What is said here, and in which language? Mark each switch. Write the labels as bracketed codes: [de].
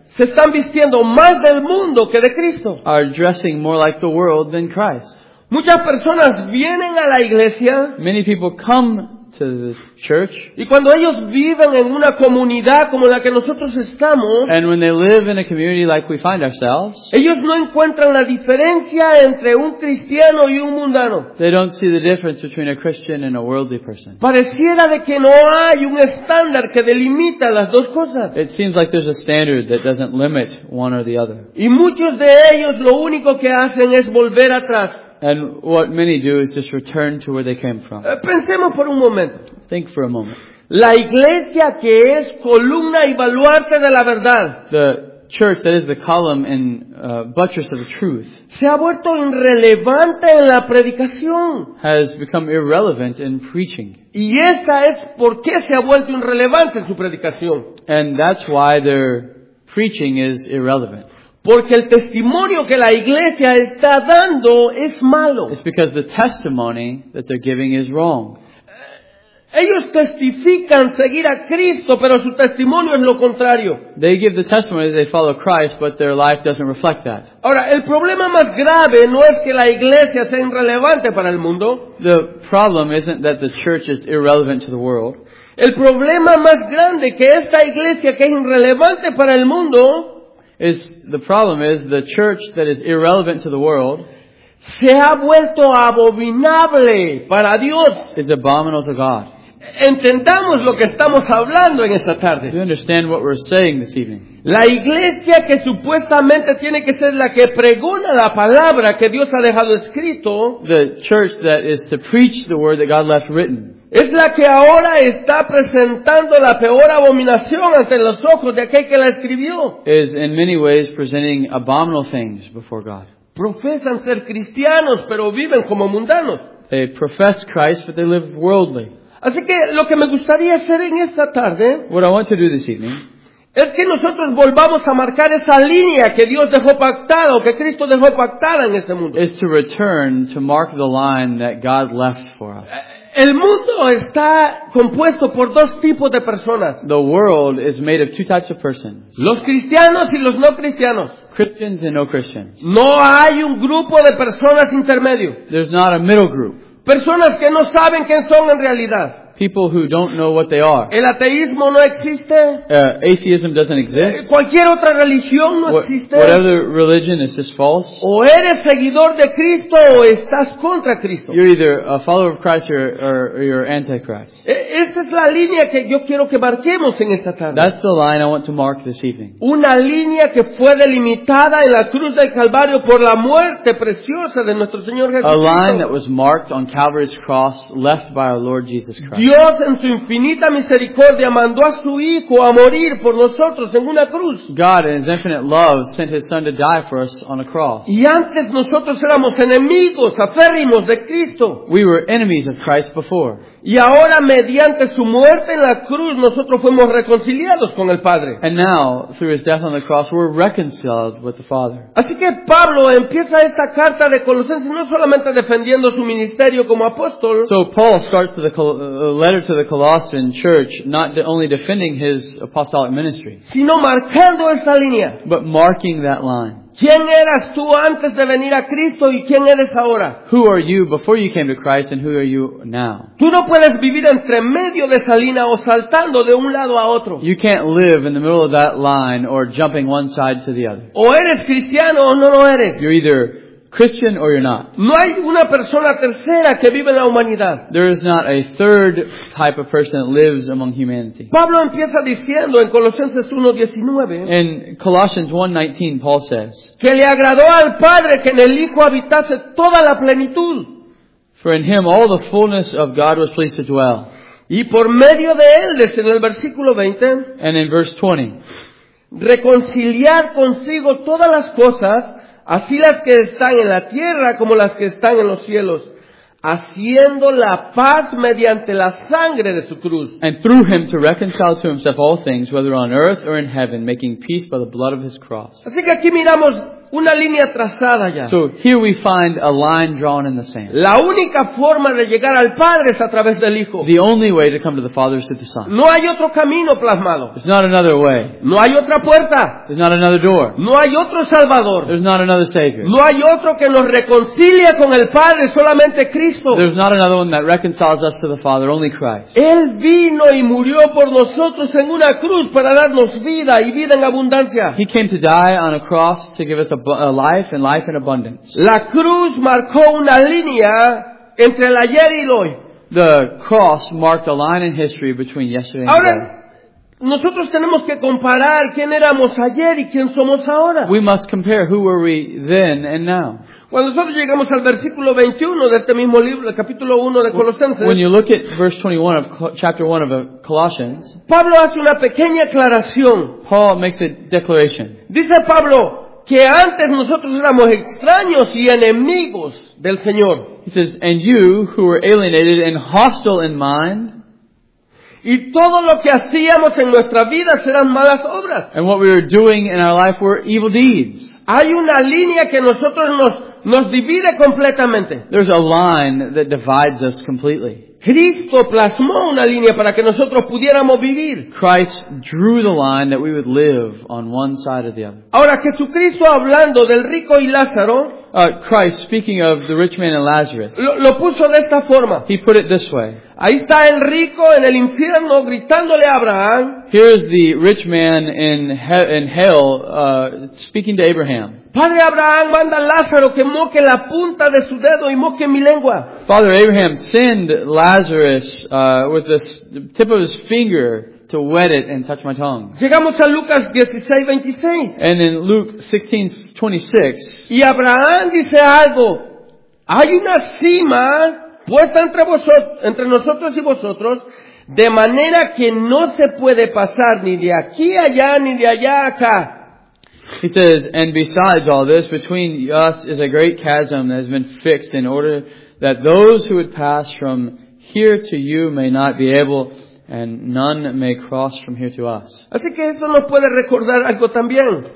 [es] se están vistiendo más del mundo que de Cristo. [en] Are dressing more like the world than Christ. [es] Muchas personas vienen a la iglesia. [en] Many people come to the church. [es] Y cuando ellos viven en una comunidad como la que nosotros estamos, [en] and when they live in a community like we find ourselves, [es] ellos no encuentran la diferencia entre un cristiano y un mundano. [en] They don't see the difference between a Christian and a worldly person. [es] Pareciera de que no hay un estándar que delimita las dos cosas. [en] It seems like there's a standard that doesn't limit one or the other. [es] Y muchos de ellos lo único que hacen es volver atrás. [en] And what many do is just return to where they came from. [es] Pensemos por un momento. [en] Think for a moment. [es] La iglesia que es columna y baluarte de la verdad. [en] The church that is the column and buttress of the truth. [es] Se ha vuelto irrelevante en la predicación. [en] Has become irrelevant in preaching. [es] Y esta es por qué se ha vuelto irrelevante en su predicación. [en] And that's why their preaching is irrelevant. [es] Porque el testimonio que la iglesia está dando es malo. [en] It's because the testimony that they're giving is wrong. [es] Ellos testifican seguir a Cristo, pero su testimonio es lo contrario. [en] They give the testimony that they follow Christ, but their life doesn't reflect that. [es] Ahora, el problema más grave no es que la iglesia sea irrelevante para el mundo. [en] The problem isn't that the church is irrelevant to the world. [es] El problema más grande que esta iglesia que es irrelevante para el mundo [en] is the problem is the church that is irrelevant to the world [es] se ha vuelto abominable para Dios. [en] Is abominable to God. [es] Entendamos lo que estamos hablando en esta tarde. [en] Do you understand what we're saying this evening? [es] La iglesia que supuestamente tiene que ser la que pregona la palabra que Dios ha dejado escrito, [en] the church that is to preach the word that God left written, [es] es la que ahora está presentando la peor abominación ante los ojos de aquel que la escribió. [en] Is in many ways presenting abominable things before God. [es] Profesan ser cristianos, pero viven como mundanos. [en] They profess Christ, but they live worldly. [es] Así que lo que me gustaría hacer en esta tarde, [en] what I want to do this evening, [es] es que nosotros volvamos a marcar esa línea que Dios dejó pactada, o que Cristo dejó pactada en este mundo. [en] Is to return to mark the line that God left for us. [es] El mundo está compuesto por dos tipos de personas. [en] The world is made of two types of persons. [es] Los cristianos y los no cristianos. [en] Christians and no Christians. [es] No hay un grupo de personas intermedio. [en] There's not a middle group. [es] Personas que no saben quién son en realidad. [en] People who don't know what they are. [es] El ateísmo no existe. [en] Atheism doesn't exist. [es] Cualquier otra religión no existe. [en] Whatever religion is just false. [es] O eres seguidor de Cristo o estás contra Cristo. [en] You're either a follower of Christ or you're antichrist. [es] Esta es la línea que yo quiero que marquemos en esta tarde. [en] That's the line I want to mark this evening. [es] Una línea que fue delimitada en la cruz del Calvario por la muerte preciosa de nuestro Señor Jesucristo. [en] A line that was marked on Calvary's cross left by our Lord Jesus Christ. [es] Dios en su infinita misericordia mandó a su Hijo a morir por nosotros en una cruz. [en] God in his infinite love sent his Son to die for us on a cross. [es] Y antes nosotros éramos enemigos aférrimos de Cristo. [en] We were enemies of Christ before. [es] Y ahora mediante su muerte en la cruz nosotros fuimos reconciliados con el Padre. [en] And now through his death on the cross we're reconciled with the Father. [es] Así que Pablo empieza esta carta de Colosenses no solamente defendiendo su ministerio como apóstol. [en] So Paul starts with the letter to the Colossian church not only defending his apostolic ministry, [es] sino marcando esta línea. [en] But marking that line. [es] ¿Quién eras tú antes de venir a Cristo y quién eres ahora? [en] Who are you before you came to Christ and who are you now? [es] Tú no puedes vivir entre medio de esa línea o saltando de un lado a otro. [en] You can't live in the middle of that line or jumping one side to the other. [es] O eres cristiano o no lo eres. [en] You're either Christian or you're not. [es] No hay una persona tercera que vive en la humanidad. [en] There is not a third type of person that lives among humanity. [es] Pablo empieza diciendo en Colosenses 1:19. [en] In Colossians 1:19, Paul says. [es] Que le agradó al Padre que en el Hijo habitase toda la plenitud. [en] For in him all the fullness of God was pleased to dwell. [es] Y por medio de él, dice en el versículo 20. [en] And in verse 20. [es] Reconciliar consigo todas las cosas, así las que están en la tierra como las que están en los cielos, haciendo la paz mediante la sangre de su cruz. [en] And through him to reconcile to himself all things, whether on earth or in heaven, making peace by the blood of his cross. [es] Así que aquí miramos una línea trazada ya. [en] So here we find a line drawn in the sand. [es] La única forma de llegar al Padre es a través del Hijo. [en] The only way to come to the Father is through the Son. [es] No hay otro camino plasmado. [en] There's not another way. [es] No hay otra puerta. [en] There's not another door. [es] No hay otro Salvador. [en] There's not another Savior. [es] No hay otro que nos reconcilia con el Padre, solamente Cristo. [en] There's not another one that reconciles us to the Father, only Christ. [es] Él vino y murió por nosotros en una cruz para darnos vida y vida en abundancia. [en] He came to die on a cross to give us a life and life in abundance. [es] La cruz marcó una línea entre el ayer y el hoy. [en] The cross marked a line in history between yesterday [es] ahora, [en] and today. [es] Nosotros tenemos que comparar quién éramos ayer y quién somos ahora. [en] We must compare who were we then and now. [es] Cuando nosotros llegamos al versículo 21 de este mismo libro, el capítulo 1 de Colosenses, [en] when you look at verse 21 of chapter 1 of Colossians, [es] Pablo hace una pequeña aclaración. [en] Paul makes a declaration. [es] Dice Pablo que antes nosotros éramos extraños y enemigos del Señor. [en] He says, and you who were alienated and hostile in mind. [es] Y todo lo que hacíamos en nuestra vida eran malas obras. [en] And what we were doing in our life were evil deeds. [es] Hay una línea que nosotros nos divide completamente. [en] There's a line that divides us completely. [es] Cristo plasmó una línea para que nosotros pudiéramos vivir. [en] Christ drew the line that we would live on one side or the other. [es] Ahora, Jesucristo hablando del rico y Lázaro, [en] Christ speaking of the rich man and Lazarus, [es] lo puso de esta forma. [en] He put it this way. [es] Ahí está el rico en el infierno gritándole a Abraham. [en] Here's the rich man in hell speaking to Abraham. [es] Padre Abraham, manda a Lázaro que moque la punta de su dedo y moque mi lengua. [en] Father Abraham, send Lazarus with the tip of his finger to wet it and touch my tongue. [es] Llegamos a Lucas 16:26. [en] And in Luke 16:26. [es] Y Abraham dice algo. Hay una cima puesta entre nosotros y vosotros, de manera que no se puede pasar ni de aquí allá ni de allá acá. [en] He says, and besides all this, between us is a great chasm that has been fixed in order that those who would pass from here to you may not be able, and none may cross from here to us. [es] Así que eso nos puede recordar algo también.